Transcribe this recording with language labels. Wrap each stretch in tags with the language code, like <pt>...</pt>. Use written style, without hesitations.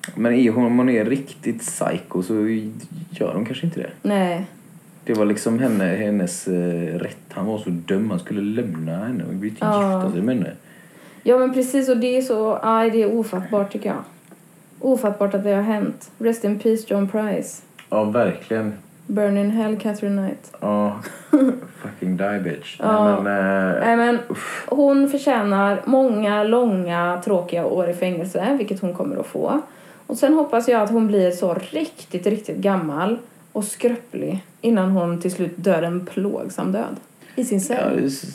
<sv>Men i honom, om hon är riktigt psycho, så gör hon kanske inte det. Nej. Det var liksom hennes rätt. Han var så döm, han skulle lämna henne och byta gifta sig med henne. Ja, men precis, och det är så... Aj, det är ofattbart tycker jag. Ofattbart att det har hänt.</sv> <en>Rest in peace, John Price.</en> <sv>Ja, verkligen.</sv> <en>Burn in hell, Catherine Knight. Ja, fucking die, bitch.</en> <sv>Ja. Men hon förtjänar många, långa, tråkiga år i fängelse, vilket hon kommer att få. Och sen hoppas jag att hon blir så riktigt, riktigt gammal och skröplig innan hon till slut dör en plågsam död i sin cell.</sv>